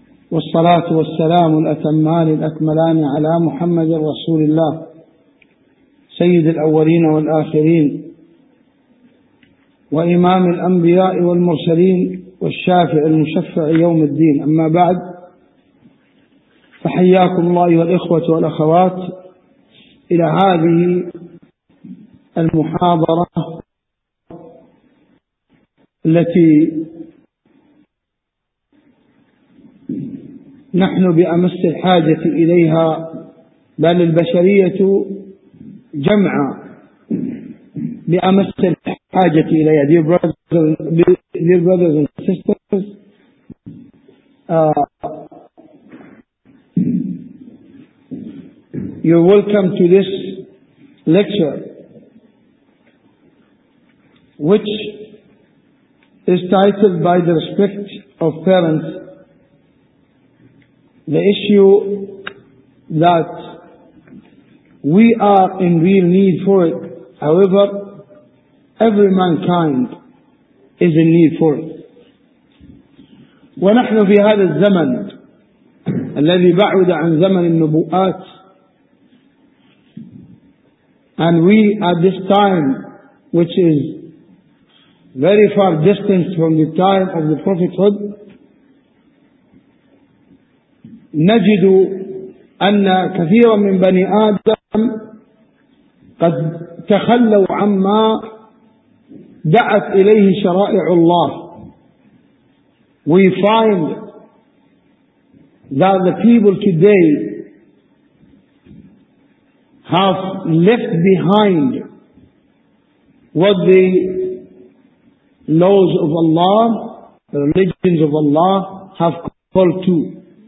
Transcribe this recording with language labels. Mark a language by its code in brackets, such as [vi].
[ar] والصلاة والسلام الأتمان الأكملان على محمد رسول الله سيد الأولين والآخرين وإمام الأنبياء والمرسلين والشافع المشفع يوم الدين، أما بعد، فحياكم الله أيها الإخوة والأخوات إلى هذه المحاضرة التي نحن بأمس الحاجة إليها، بل البشرية جمعا بأمس الحاجة إليها. [en] Dear brothers and sisters, you're welcome to this lecture, which is titled by the respect of parents, the issue that we are in real need for it. However, every mankind is in need for it. [ar] ونحن في هذا الزمن الذي بعد عن زمن النبوءات, [en] and we at this time, which is very far distant from the time of the prophethood, [ar] نجد أن كثيرا من بني آدم قد تخلوا عما دعت إليه شرائع الله. [en] We find that the people today have left behind what the laws of Allah, the religions of Allah, have called to.